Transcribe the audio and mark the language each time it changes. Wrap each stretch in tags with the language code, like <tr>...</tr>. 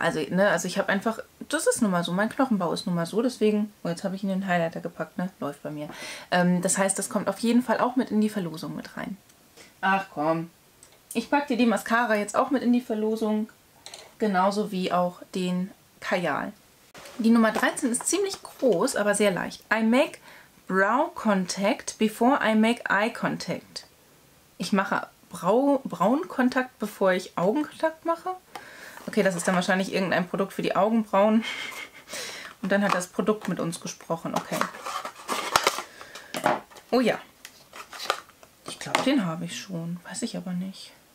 <de>Also, ne, also ich habe einfach, das ist nun mal so, mein Knochenbau ist nun mal so, deswegen, oh, jetzt habe ich ihn in den Highlighter gepackt, ne, läuft bei mir. Das heißt, das kommt auf jeden Fall auch mit in die Verlosung mit rein. Ach komm, ich packe dir die Mascara jetzt auch mit in die Verlosung, genauso wie auch den Kajal. Die Nummer 13 ist ziemlich groß, aber sehr leicht.</de> <en>I make brow contact before I make eye contact.</en> <de>Ich mache Braunkontakt, bevor ich Augenkontakt mache. Okay, das ist dann wahrscheinlich irgendein Produkt für die Augenbrauen. Und dann hat das Produkt mit uns gesprochen. Okay. Oh ja. Ich glaube, den habe ich schon. Weiß ich aber nicht.</de>